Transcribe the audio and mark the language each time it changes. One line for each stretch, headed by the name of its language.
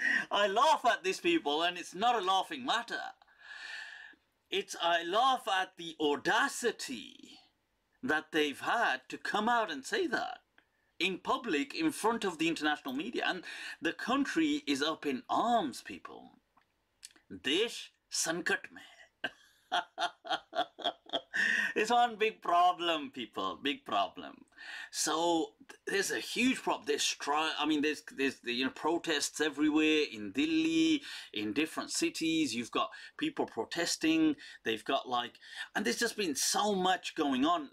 English: I laugh at these people, and it's not a laughing matter. I laugh at the audacity that they've had to come out and say that in public, in front of the international media. And the country is up in arms, people.
Hindi: देश संकट में।
English: It's one big problem, people. Big problem. So there's a huge problem. There's strike. I mean, there's protests everywhere in Delhi, in different cities. You've got people protesting. They've got like, and there's just been so much going on.